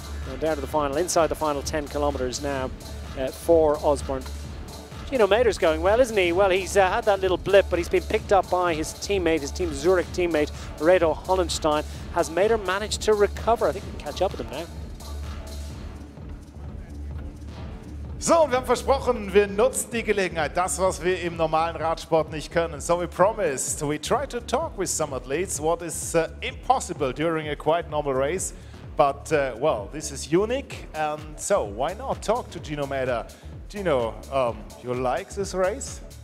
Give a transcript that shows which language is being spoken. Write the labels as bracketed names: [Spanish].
[English] And down to the final, inside the final 10 kilometers now for Osborne. Gino Mader's going well, isn't he? Well, he's had that little blip, but he's been picked up by his teammate, his Team Zurich teammate, Reto Hollenstein. Has Mader managed to recover? I think we can catch up with him now. [German] So, wir haben versprochen, wir nutzen die Gelegenheit, das, was wir im normalen Radsport nicht können. [English] So we promised, we try to talk with some athletes, what is impossible during a quite normal race. But, well, this is unique, and so why not talk to Gino Mader? Gino, you like this race?